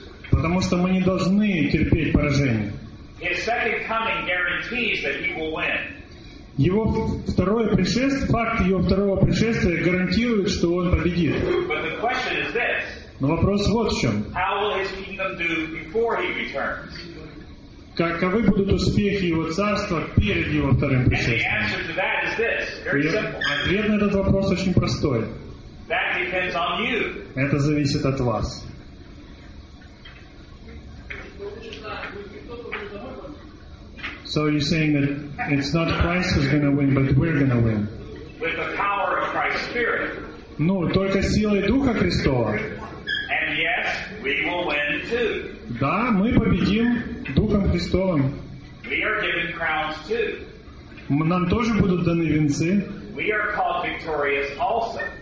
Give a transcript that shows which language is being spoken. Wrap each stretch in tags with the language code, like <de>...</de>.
<ru>Потому что мы не должны терпеть поражение.</ru> <en>His second coming guarantees that he will win.</en> <ru>Его второе пришествие, факт его второго пришествия гарантирует, что он победит.</ru> <en>But the question is this.</en> <ru>Но вопрос вот в чем.</ru> <en>How will his kingdom do before he returns?</en> <ru>Каковы будут успехи его царства перед его вторым пришествием?</ru> <en>And the answer to that is this. Very simple.</en> <ru>Ответ на этот вопрос очень простой.</ru> <en>That depends on you.</en> <ru>Это зависит от вас.</ru> <en>So you're saying that it's not Christ who's going to win, but we're going to win. With the power of Christ's Spirit.</en> <ru>Ну, только силой Духа Христова.</ru> <en>And yes, we will win too.</en> <ru>Да, мы победим Духом Христовым.</ru> <en>We are given crowns too.</en> <ru>Нам тоже будут даны венцы.</ru> <en>We are called victorious also.</en>